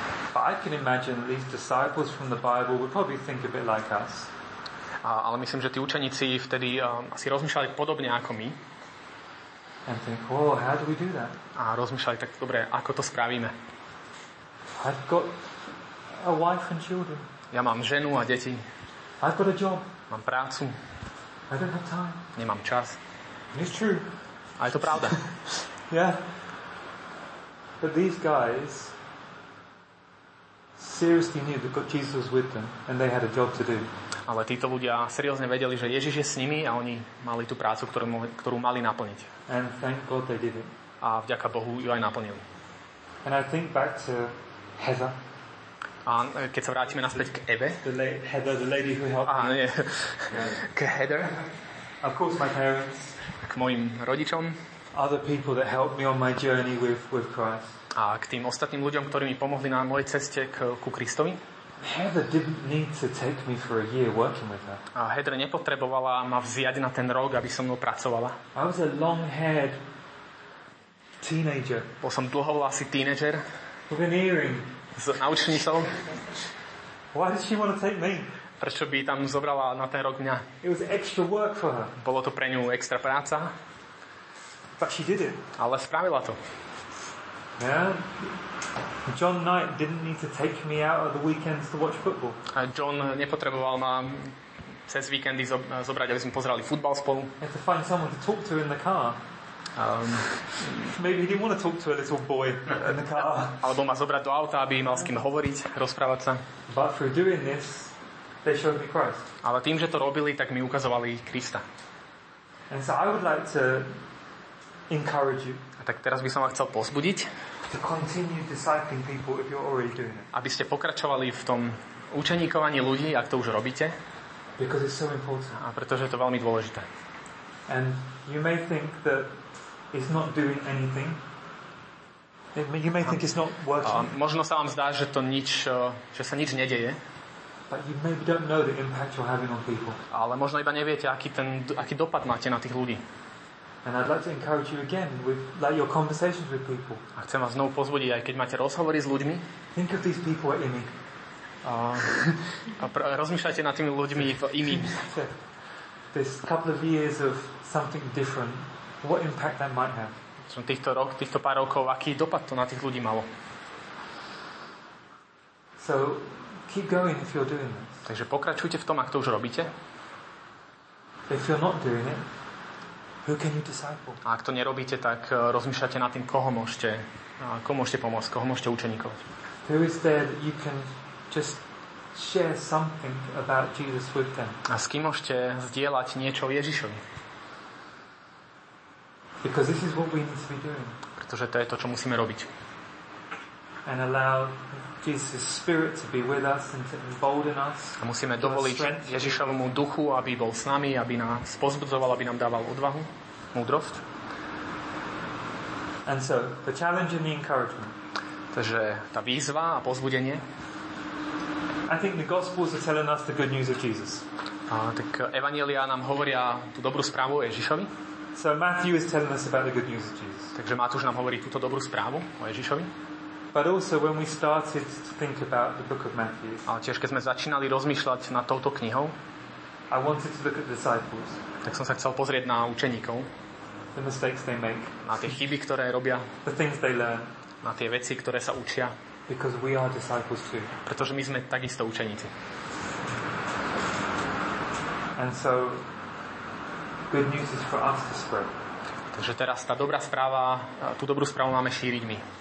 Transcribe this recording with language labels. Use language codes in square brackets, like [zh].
[en] But I can imagine these disciples from the Bible would probably think a bit like us. [sk] Ale myslím, že tí učeníci vtedy asi rozmýšľali podobne ako my. [en] And think, oh, how do we do that? [sk] A rozmýšľali tak, dobre, ako to spravíme? [en] I've got a wife and children. [sk] Ja mám ženu a deti. [en] I've got a job. [sk] Mám prácu. [en] I don't have time. [sk] Nemám čas. [en] And it's true. [sk] A je to pravda. [en] Yeah. But these guys seriously knew that God Jesus was with them and they had a job to do. [sk] Ale títo ľudia seriózne vedeli, že Ježiš je s nimi a oni mali tú prácu, ktorú mali naplniť. [en] And thank God they did it. [sk] A vďaka Bohu ju aj naplnili. [en] And I think back to Heather. [sk] A keď sa vrátime naspäť k Eve. [en] Heather, the lady who helped me. Yeah. K Heather. Of course my parents. [sk] K mojim rodičom. [en] Other people that helped me on my journey with Christ. [sk] A k tým ostatným ľuďom, ktorí mi pomohli na mojej ceste ku Kristovi. [en] Heather didn't need to take me for a year working with her. [sk] A Heather nepotrebovala ma vziať na ten rok, aby so mnou pracovala. [en] I was a long-haired teenager. [sk] Bol som dlhovlasý teenager. [en] With an earring. [sk] S naučnicou. [en] Why did she want to take me? [sk] Prečo by tam zobrala na ten rok mňa? [en] It was extra work for her. [sk] Bolo to pre ňu extra práca. [en] But she did it. [sk] Ale spravila to. [en] Yeah. John Knight didn't need to take me out of the weekends to watch football. [sk] A John nepotreboval ma cez víkendy zobrať, aby sme pozerali futbal spolu. [en] I had to find someone to talk to in the car. Maybe he didn't want to talk to a little boy in the car. [sk] Alebo ma zobrať do auta, aby mal s kým hovoriť, rozprávať sa. [en] But through doing this, they showed me Christ. [sk] Ale tým, že to robili, tak mi ukazovali Krista. [en] And so I would like to encourage you. [sk] A tak teraz by som vás chcel povzbudiť, [en] to continue discipling people if you're already doing it. [sk] Aby ste pokračovali v tom učeníkovaní ľudí, ak to už robíte. [en] Because it's so important. [sk] A pretože je to veľmi dôležité. [en] And you may think that it's not doing anything. You may think it's not working. [sk] A možno sa vám zdá, že to nič, že sa nič nedeje. [en] But you maybe don't know the impact you're having on people. [sk] Ale možno iba neviete, aký dopad máte na tých ľudí. [en] And I'd like to encourage you again with like your conversations with people. [sk] A chcem vás znovu pozbudiť, aj keď máte rozhovory s ľuďmi. [en] Think of these people in me. [sk] Rozmýšľajte nad tými ľuďmi v imi. [en] This couple of years of something different, what impact that might have. [sk] Som týchto pár rokov, aký dopad to na tých ľudí malo. [en] So keep going if you're doing this. [sk] Takže pokračujte v tom, ak to už robíte. [en] If you're not doing it, who can you disciple? [sk] A ak to nerobíte, tak rozmýšľate nad tým, koho môžete pomôcť, koho môžete učeníkovať. [en] Who is there that you can just share something about Jesus with them? [sk] A s kým môžete zdieľať niečo o Ježišovi? [en] Because this is what we need to be doing. [sk] Pretože to je to, čo musíme robiť. [en] and allow Jesus' spirit to be with us and to embolden us. [sk] A musíme dovoliť Ježišovmu duchu, aby bol s nami, aby nás pozbudzoval, aby nám dával odvahu, múdrosť. [en] And so, the challenge and the encouragement. [sk] Takže tá výzva a povzbudenie. [en] I think the gospels are telling us the good news of Jesus. [sk] Tak evanjeliá nám hovoria tú dobrú správu o Ježišovi. [en] So Matthew is telling us about the good news of Jesus. [sk] Takže Matúš nám hovorí túto dobrú správu o Ježišovi. [en] But also when we started to think about the book of Matthew. [sk] A tiež keď sme začínali rozmýšľať nad touto knihou. [en] I wanted to look at the disciples. [sk] Tak som sa chcel pozrieť na učeníkov. [en] The mistakes they make. [sk] Na tie chyby, ktoré robia. [en] The things they learn. [sk] Na tie veci, ktoré sa učia. [en] Because we are disciples too. [sk] Pretože my sme takisto učeníci. [en] And so good news is for us to spread. [sk] Takže teraz tá dobrá správa, tú dobrú správu máme šíriť my.